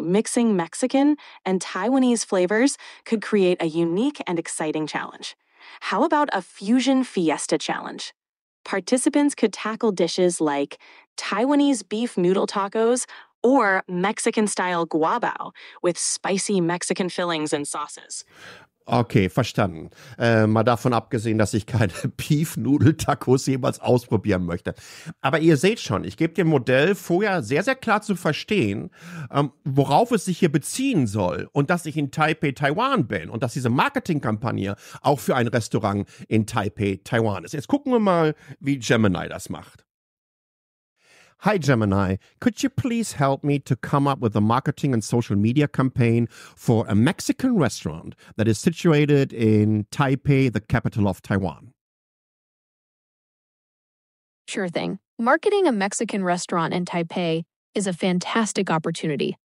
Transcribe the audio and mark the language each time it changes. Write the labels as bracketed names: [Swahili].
[English] Mixing Mexican and Taiwanese flavors could create a unique and exciting challenge. How about a fusion fiesta challenge? Participants could tackle dishes like Taiwanese beef noodle tacos or Mexican-style guabao with spicy Mexican fillings and sauces. [German] Okay, verstanden. Mal davon abgesehen, dass ich keine Beef-Nudel-Tacos jemals ausprobieren möchte. Aber ihr seht schon, ich gebe dem Modell vorher sehr, sehr klar zu verstehen, worauf es sich hier beziehen soll und dass ich in Taipei, Taiwan bin und dass diese Marketingkampagne auch für ein Restaurant in Taipei, Taiwan ist. Jetzt gucken wir mal, wie Gemini das macht. [English] Hi Gemini, could you please help me to come up with a marketing and social media campaign for a Mexican restaurant that is situated in Taipei, the capital of Taiwan? Sure thing. Marketing a Mexican restaurant in Taipei is a fantastic opportunity.